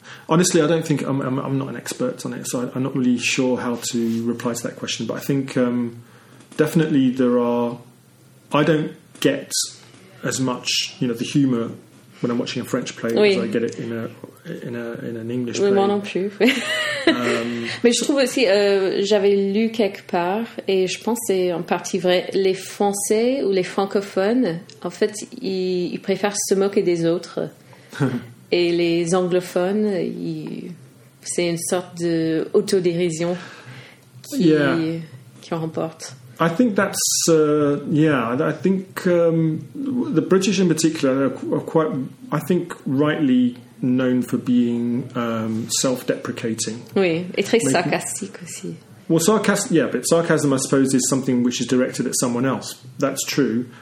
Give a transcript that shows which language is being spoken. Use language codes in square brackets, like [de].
[en] Honestly, I don't think I'm not an expert on it, so I'm not really sure how to reply to that question. But I think definitely there are. I don't get as much, you know, the humour when I'm watching a French play as I get it in an English play. [fr] Moi non plus. Mais je trouve aussi, j'avais lu quelque part, et je pense que c'est en partie vrai, les Français ou les francophones, en fait, ils préfèrent se moquer des autres. Et les anglophones, c'est une sorte d'autodérision qui en remporte. [en] I think that's, I think the British in particular are quite, I think, rightly known for being self-deprecating. [fr] Oui, et très sarcastique aussi. [en] Well, sarcasm, I suppose, is something which is directed at someone else. That's true.